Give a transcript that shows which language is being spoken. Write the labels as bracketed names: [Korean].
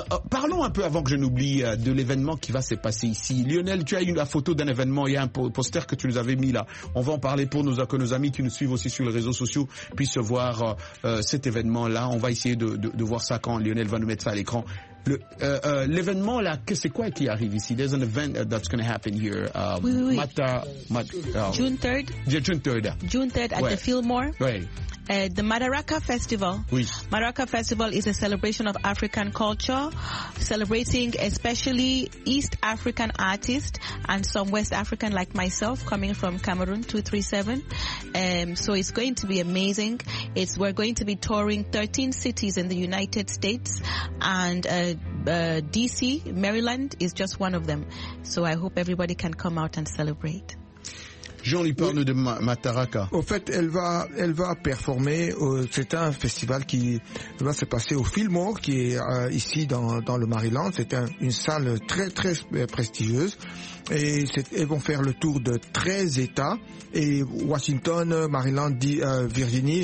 [French] Parlons un peu avant que je n'oublie de l'événement qui va se passer ici. Lionel, tu as eu la photo d'un événement. Il y a un poster que tu nous avais mis là. On va en parler pour que nos amis qui nous suivent aussi sur les réseaux sociaux puissent voir cet événement-là. On va essayer de voir ça quand Lionel va nous mettre ça à l'écran. L'événement là, c'est quoi qui arrive ici? [English] There's an event that's going to happen here. June 3rd. June 3rd at the Fillmore. The Madaraka Festival. [French] Oui. [English] Madaraka Festival is a celebration of African culture, celebrating especially East African artists and some West African like myself coming from Cameroon 237. So it's going to be amazing. We're going to be touring 13 cities in the United States and DC, Maryland is just one of them. So I hope everybody can come out and celebrate. [French] Jean-Louis parle de Mataraka. Au fait, elle va performer. C'est un festival qui va se passer au Fillmore, qui est ici dans le Maryland. C'est une salle très très prestigieuse. Et elles vont faire le tour de 13 États et Washington, Maryland, Virginie.